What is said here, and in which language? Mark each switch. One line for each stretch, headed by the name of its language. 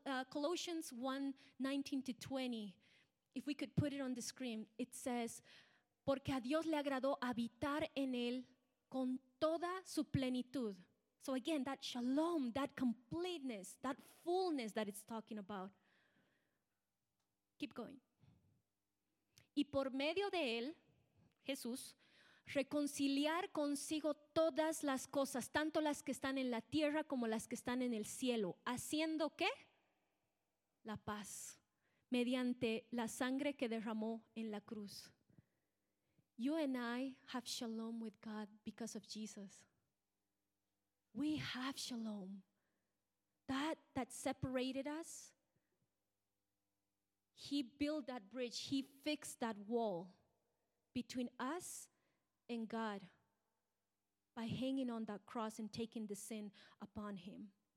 English: Colossians 1:19-20, if we could put it on the screen, it says,
Spanish: porque a Dios le agradó habitar en él con toda su plenitud.
English: So again, that shalom, that completeness, that fullness that it's talking about. Keep going.
Spanish: Y por medio de él, Jesús, reconciliar consigo todas las cosas, tanto las que están en la tierra como las que están en el cielo, haciendo ¿qué? La paz, mediante la sangre que derramó en la cruz.
English: You and I have shalom with God because of Jesus. We have shalom. That separated us, he built that bridge, he fixed that wall between us and God by hanging on that cross and taking the sin upon him.